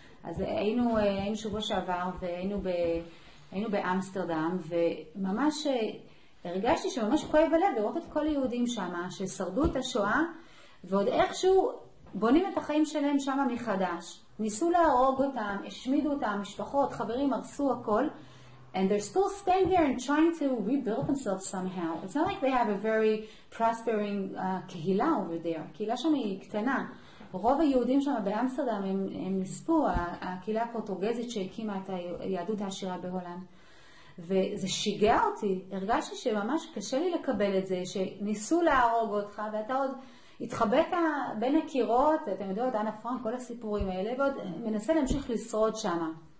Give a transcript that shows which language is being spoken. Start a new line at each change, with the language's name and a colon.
Hebrew: אז היינו, היינו שבוע שעבר והיינו ב, היינו באמסטרדם, וממש הרגשתי שממש כואב הלב לראות את כל היהודים שם ששרדו את השואה, ועוד איכשהו בונים את החיים שלהם שם מחדש. ניסו להרוג אותם, השמידו אותם, משפחות, חברים, הרסו הכל.
English: And they're still staying there and trying to rebuild themselves somehow. It's not like they have a very prospering קהילה over there.
Hebrew: הקהילה שם היא קטנה. רוב היהודים שם באמסטרדם הם, הם נספו, הקהילה הפורטוגזית שהקימה את היהדות העשירה בהולנד. וזה שיגע אותי. הרגשתי שממש קשה לי לקבל את זה, שניסו להרוג אותך ואתה עוד התחבאת בין הקירות, אתם יודעות, אנה פרנק, כל הסיפורים האלה, ועוד מנסה להמשיך לשרוד שם.